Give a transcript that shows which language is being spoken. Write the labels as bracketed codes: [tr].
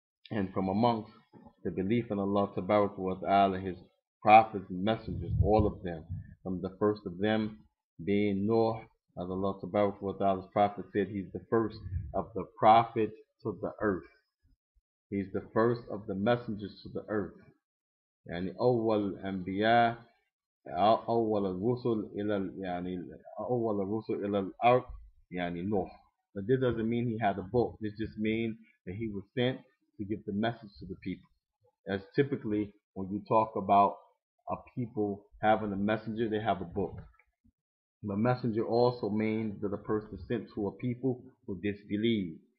[en] And from amongst the belief in Allah subhanahu wa ta'ala, his prophets and messengers, all of them, from the first of them being Nuh, as Allah subhanahu wa ta'ala's prophet said, he's the first of the prophets to the earth. He's the first of the messengers to the earth. [ar] يعني أول أنبياء أول الرسل إلى يعني أول الرسل إلى الأرض يعني نوح. [en] But this doesn't mean he had a book. This just means that he was sent to give the message to the people. As typically when you talk about a people having a messenger, they have a book. The messenger also means that a person is sent to a people who disbelieve.